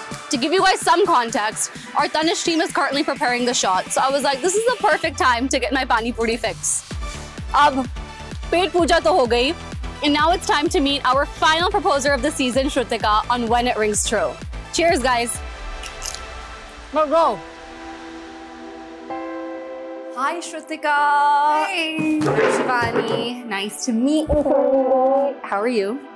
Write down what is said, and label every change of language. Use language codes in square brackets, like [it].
[en] To give you guys some context, our Tanish team is currently preparing the shot. So I was like, this is the perfect time to get my pani puri fix. [hi] अब, पेट पूजा तो हो गई. [en] And now it's time to meet our final proposer of the season, Shrutika, on When It Rings True. Cheers, guys. Let's go. Hi, Shrutika. Hey. Shivani. Nice to meet you. How are you?